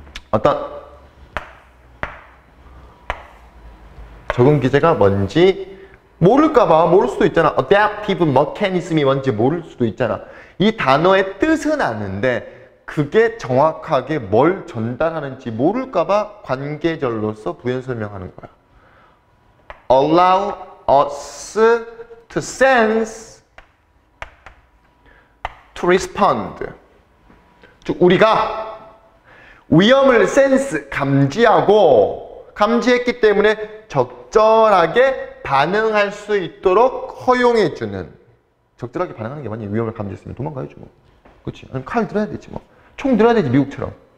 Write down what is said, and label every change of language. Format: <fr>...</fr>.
<ko>어떤 적응 기제가 뭔지 모를까봐, 모를 수도 있잖아. Adaptive mechanism이 뭔지 모를 수도 있잖아. 이 단어의 뜻은 아는데 그게 정확하게 뭘 전달하는지 모를까봐 관계절로서 부연 설명하는 거야.</ko> <en>Allow us to sense, to respond.</en> <ko>즉, 우리가 위험을 sense, 감지하고, 감지했기 때문에 적절하게 반응할 수 있도록 허용해주는. 적절하게 반응하는 게 만약에 위험을 감지했으면 도망가야지, 뭐. 그치? 아니면 칼 들어야 되지, 뭐. 총 들어야 되지, 미국처럼.</ko>